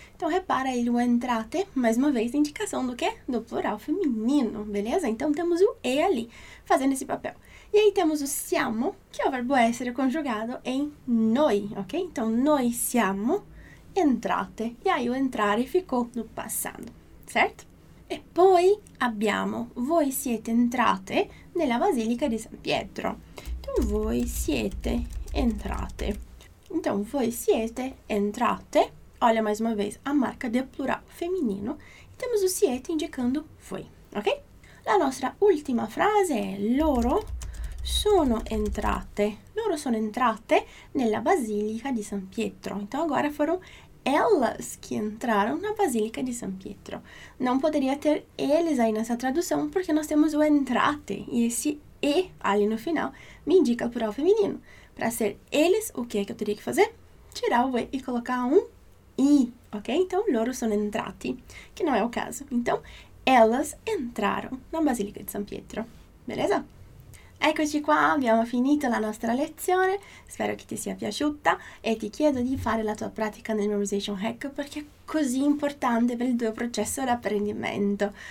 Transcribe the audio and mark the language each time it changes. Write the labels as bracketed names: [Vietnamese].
[Portuguese] Então, repara aí o entrate, mais uma vez, indicação do quê? Do plural feminino, beleza? Então, temos o e ali, fazendo esse papel. E aí, temos o siamo, que é o verbo essere conjugado em noi, ok? [Italian] Então, noi siamo entrate. [Portuguese] E aí, o entrare ficou no passado, certo? [Italian] E poi abbiamo, voi siete entrate nella Basilica di San Pietro. Então, voi siete entrate. Então, voi siete entrate. [Portuguese] Olha mais uma vez a marca de plural feminino. E temos o siete indicando voi, ok? [Italian] La nostra ultima frase è loro sono entrate. Loro sono entrate nella Basilica di San Pietro. [Portuguese] Então, agora foram elas que entraram na Basílica de São Pietro. Não poderia ter eles aí nessa tradução, porque nós temos o entrate. E esse e ali no final me indica o plural feminino. Para ser eles, o que é que eu teria que fazer? Tirar o e colocar um i, ok? Então, [Italian] loro sono entrati, [Portuguese] que não é o caso. Então, elas entraram na Basílica de São Pietro. Beleza? [Italian] Eccoci qua, abbiamo finito la nostra lezione, spero che ti sia piaciuta e ti chiedo di fare la tua pratica nel Memorization Hack perché è così importante per il tuo processo di apprendimento.